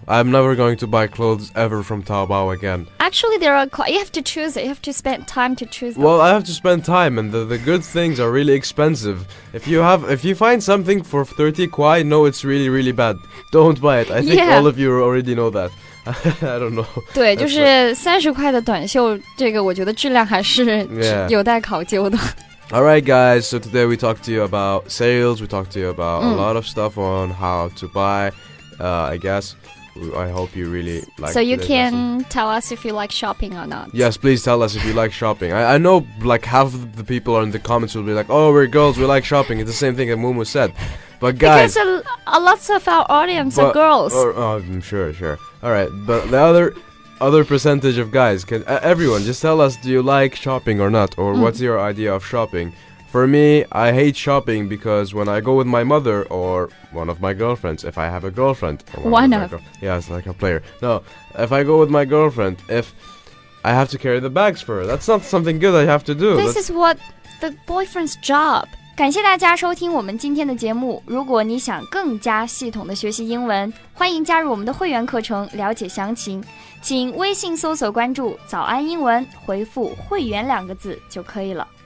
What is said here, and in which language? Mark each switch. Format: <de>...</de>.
<en>I'm never going to buy clothes ever from Taobao again. Actually, there are you have to choose it. You have to spend time to choose them. Well, I have to spend time, and the good things are really expensive. If you find something for 30 kuai, no, it's really, really bad. Don't buy it. I think all of you already know that. I don't know.</en> <zh>对，就是30块的短袖，这个我觉得质量还是有待考究的。</zh> <en>Alright guys, so today we talked to you about sales, we talked to you about a lot of stuff on how to buy, I guess. I hope you really like it. So you can tell us if you like shopping or not. Yes, please tell us if you like shopping. I know like half of the people are in the comments will be like, oh, we're girls, we like shopping. It's the same thing that Mumu said. But guys... Because lots of our audience are girls. Sure. Alright, but the other percentage of guys, can everyone just tell us, do you like shopping or not, or what's your idea of shopping For me, I hate shopping because when I go with my mother or one of my girlfriends, if I have a girlfriend. Yes, like a player. No, if I go with my girlfriend, if I have to carry the bags for her, that's not something good I have to do. This is what the boyfriend's job.</en> <zh>感谢大家收听我们今天的节目。如果你想更加系统的学习英文，欢迎加入我们的会员课程，了解详情，请微信搜索关注早安英文，回复会员两个字就可以了。</zh>